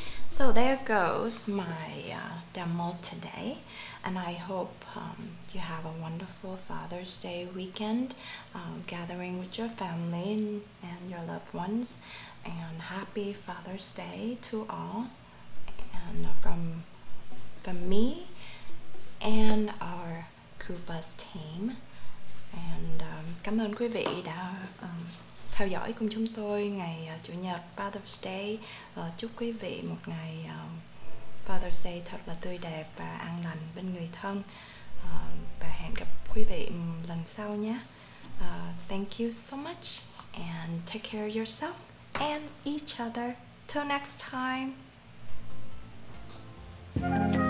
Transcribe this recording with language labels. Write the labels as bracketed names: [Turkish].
[English] So there goes my demo today, and I hope you have a wonderful Father's Day weekend, gathering with your family and your loved ones, and happy Father's Day to all, and from me and our Kupa's team. [Vietnamese] And cảm ơn quý vị đã theo dõi cùng chúng tôi ngày Chủ nhật Father's Day. Chúc quý vị một ngày Father's Day thật là tươi đẹp và an lành bên người thân. Và hẹn gặp quý vị lần sau nhé. [English] Thank you so much and take care of yourself and each other. Till next time.